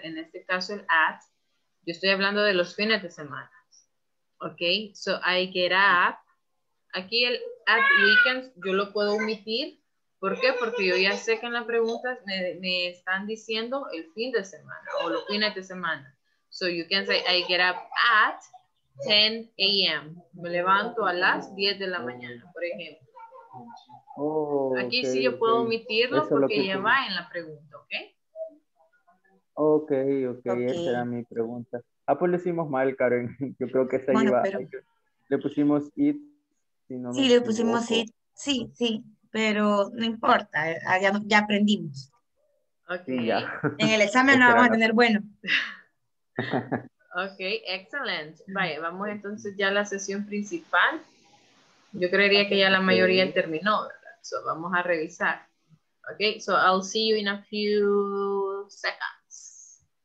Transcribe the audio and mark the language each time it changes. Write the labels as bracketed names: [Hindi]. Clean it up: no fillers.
[Spanish] En este caso el at, yo estoy hablando de los fines de semana. ¿Ok? [English] So I get up. [Spanish] Aquí el at weekends yo lo puedo omitir. ¿Por qué? Porque yo ya sé que en las preguntas me están diciendo el fin de semana o los fines de semana. [English] So you can say I get up at 10 a.m. [Spanish] Me levanto a las 10 de la mañana, por ejemplo. Oh, aquí okay, sí yo puedo omitirlo porque ya va en la pregunta, ¿ok? Okay. Esa era mi pregunta. Ah, pues le hicimos mal, Karen. Yo creo que esa bueno, iba. Pero... le pusimos it. Si no, sí, le pusimos it. Sí, pero no importa. Ya aprendimos. Ok. Sí, ya. En el examen no vamos a tener bueno. Ok, excelente. Vale, vamos entonces ya a la sesión principal. Yo creería que ya la mayoría terminó, ¿verdad? So, vamos a revisar. [English] Okay, so I'll see you in a few seconds.